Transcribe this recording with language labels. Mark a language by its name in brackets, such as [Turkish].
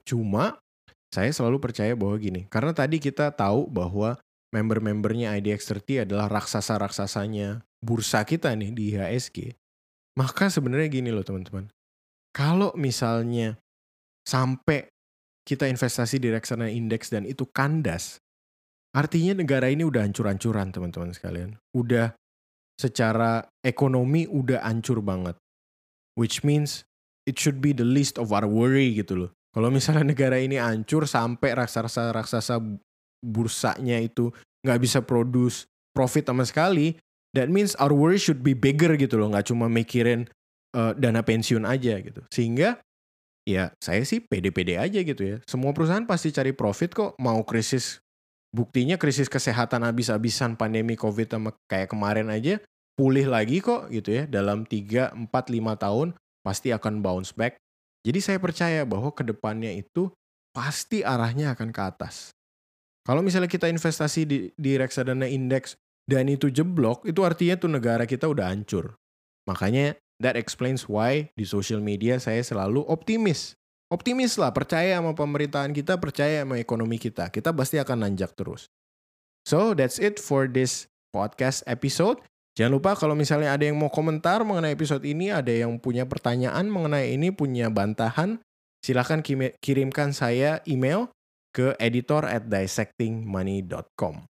[Indonesian] Cuma, saya selalu percaya bahwa gini. Karena tadi kita tahu bahwa member-membernya IDX30 adalah raksasa-raksasanya bursa kita nih di IHSG. Maka sebenarnya gini loh teman-teman. Kalau misalnya sampai kita investasi di reksadana indeks dan itu kandas, artinya negara ini udah hancur-hancuran teman-teman sekalian. Udah secara ekonomi udah hancur banget. [English] Which means it should be the least of our worry [Indonesian] gitu loh. Kalau misalnya negara ini hancur sampai raksasa-raksasa bursanya itu gak bisa [English] produce profit [Indonesian] sama sekali, [English] that means our worry should be bigger [Indonesian] gitu loh, gak cuma mikirin dana pensiun aja gitu. Sehingga ya saya sih pede-pede aja gitu ya. Semua perusahaan pasti cari profit kok, mau krisis. Buktinya krisis kesehatan abis-abisan pandemi COVID sama kayak kemarin aja, pulih lagi kok gitu ya. Dalam 3, 4, 5 tahun pasti akan bounce back. Jadi saya percaya bahwa kedepannya itu pasti arahnya akan ke atas. Kalau misalnya kita investasi di reksadana indeks dan itu jeblok, itu artinya tuh negara kita udah hancur. Makanya [English] that explains why [Indonesian] di social media saya selalu optimis. Optimis lah, percaya sama pemerintahan kita, percaya sama ekonomi kita. Kita pasti akan nanjak terus. [English] So that's it for this podcast episode. [Indonesian] Jangan lupa kalau misalnya ada yang mau komentar mengenai episode ini, ada yang punya pertanyaan mengenai ini, punya bantahan, silakan kirimkan saya email ke editor@dissectingmoney.com.